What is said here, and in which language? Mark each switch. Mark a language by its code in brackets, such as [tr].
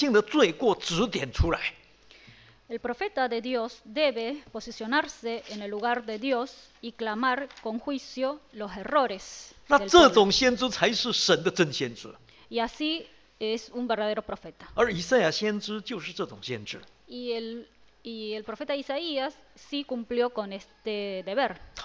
[zh] 可以向雅各说明他的过犯，向以色列指出他的罪恶了。神的先知必须靠着神的灵，站在神的立场，把神的百姓的罪过指点出来。El [es] profeta de Dios debe posicionarse en el lugar de Dios y clamar con juicio los errores. [zh] 那这种先知才是神的真先知。Y [es] así es un verdadero profeta. [zh] 而以赛亚先知就是这种先知。Y el [es] Y el profeta Isaías sí cumplió con este deber.